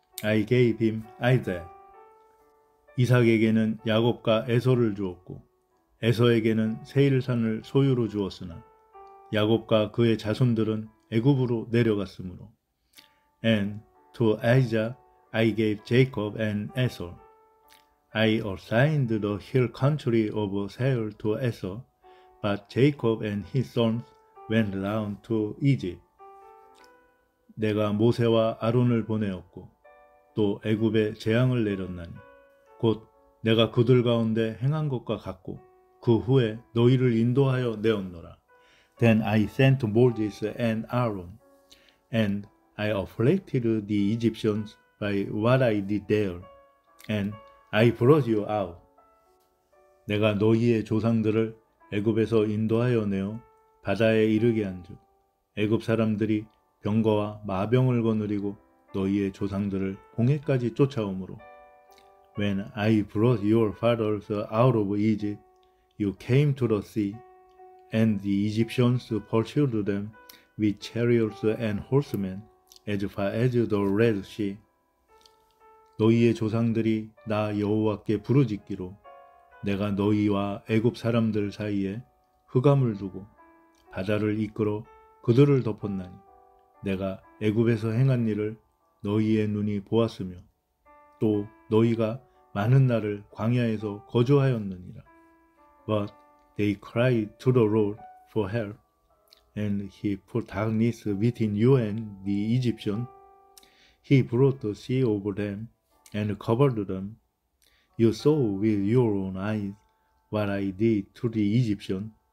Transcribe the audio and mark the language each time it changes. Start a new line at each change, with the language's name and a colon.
English: I gave him Isaac.
Korean: 이삭에게는 야곱과 에서를 주었고, 에서에게는 세일산을 소유로 주었으나, 야곱과 그의 자손들은 애굽으로 내려갔으므로,
English: And to Isaac, I gave Jacob and Esau. I assigned the hill country of Seir to Esau, but Jacob and his sons went down to Egypt.
Korean: 내가 모세와 아론을 보내었고, 또 애굽에 재앙을 내렸나니, 곧 내가 그들 가운데 행한 것과 같고, 그 후에 너희를 인도하여 내었노라.
English: Then I sent Moses and Aaron, and I afflicted the Egyptians by what I did there, and I brought you out.
Korean: 내가 너희의 조상들을 애굽에서 인도하여 내어 바다에 이르게 한즉 애굽 사람들이 병거와 마병을 거느리고 너희의 조상들을 홍해까지 쫓아오므로
English: When I brought your fathers out of Egypt, you came to the sea, and the Egyptians pursued them with chariots and horsemen as far as the Red Sea.
Korean: 너희의 조상들이 나 여호와께 부르짖기로 내가 너희와 애굽 사람들 사이에 흑암을 두고 바다를 이끌어 그들을 덮었나니 내가 애굽에서 행한 일을 너희의 눈이 보았으며 또 너희가 많은 날을 광야에서 거주하였느니라.
English: But they cried to the Lord for help, and he put darkness between you and the Egyptian. He brought the sea over them and covered them. You saw with your own eyes what I did to the Egyptian.